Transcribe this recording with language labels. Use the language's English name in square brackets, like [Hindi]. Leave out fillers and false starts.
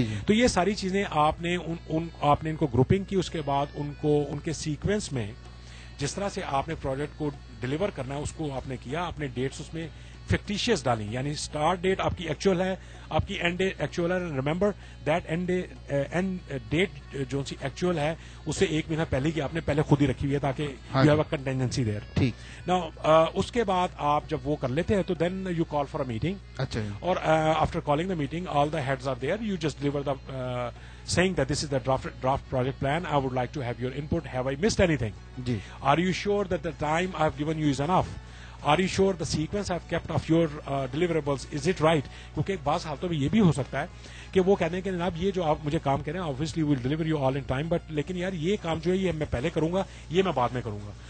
[Urdu] تو یہ ساری چیزیں آپ نے ان کو گروپنگ کی, اس کے بعد ان کو ان کے سیکوینس میں جس طرح سے آپ نے پروجیکٹ کو ڈلیور کرنا ہے اس کو آپ نے کیا, اپنے ڈیٹس اس میں فکٹیشیس ڈالیں, یعنی اسٹارٹ ڈیٹ آپ کی ایکچوئل ہے, آپ کی اینڈ ڈیٹ ایکچوئل ہے, [English] remember that end date [Urdu] جو سی ایکچوئل ہے اسے ایک مہینہ پہلے کی آپ نے پہلے خود ہی رکھی ہوئی ہے تاکہ [English] You have a contingency there. [Urdu] ٹھیک, ناؤ اس کے بعد آپ جب وہ کر لیتے ہیں تو [English] Then you call for a meeting. [Urdu] اچھا, [English] اور after calling the meeting all the heads are there, you just deliver the saying that this is the draft project plan, I would like to have your input, have I missed anything, [Urdu] جی, [English] are you sure that the time I have given you is enough, are you sure the sequence I have kept of your deliverables is it right, [Urdu] کیونکہ بعض حالتوں میں یہ بھی ہو سکتا ہے کہ وہ کہنے کہ جناب یہ جو آپ مجھے کام کریں [English] obviously we will deliver you all in time, but [Urdu] لیکن یار یہ کام جو ہے یہ میں پہلے کروں گا, یہ میں بعد میں کروں گا.